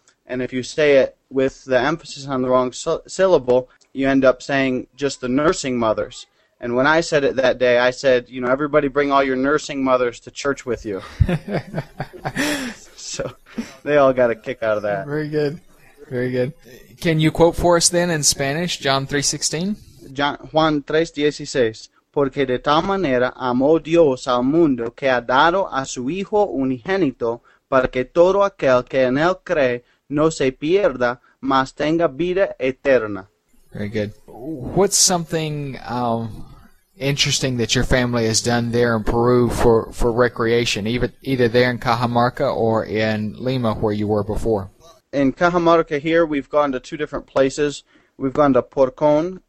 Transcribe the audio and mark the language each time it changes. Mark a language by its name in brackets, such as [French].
[English] And if you say it with the emphasis on the wrong syllable, you end up saying just the nursing mothers. And when I said it that day, I said, you know, everybody bring all your nursing mothers to church with you. So they all got a kick out of that. Very good. Very good. Can you quote for us then in Spanish, John 3:16? [Spanish] Juan 3:16. Porque de tal manera amó Dios al mundo que ha dado a su Hijo unigénito para que todo aquel que en él cree no se pierda, mas tenga vida eterna. [English] Very good. What's something interesting that your family has done there in Peru for recreation, either there in Cajamarca or in Lima where you were before? In Cajamarca here, we've gone to two different places. We've gone to Porcon.